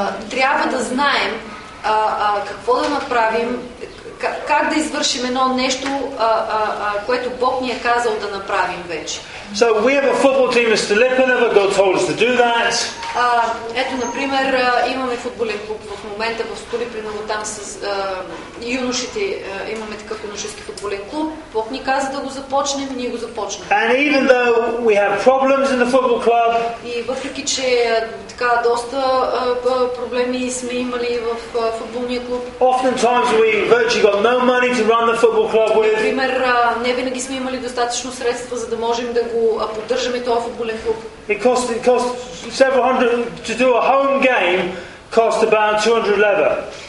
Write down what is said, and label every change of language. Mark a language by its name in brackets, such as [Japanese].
[Bulgarian] Трябва да знаем какво да направим, как да извършим едно нещо, което Бог ни е казал да направим вече. [English] So we have a football team in Stalipina, but God told us to do that. [Bulgarian] Ето, например, имаме футболен клуб в момента в Столипина, там с юношите, имаме такъв юношески футболен клуб. Бог ни каза да го започнем, ние го започнем. [English] And even though we have problems in the football club, [Bulgarian] и въпреки че така доста проблеми сме имали в футболния клуб. [English] Oftentimes we virtually got no money to run the football club with. [Bulgarian] Например, не винаги сме имали достатъчно средства, за да можем да го поддържаме този футболен клуб. [English] It cost several hundred to do a home game cost about 200 leather.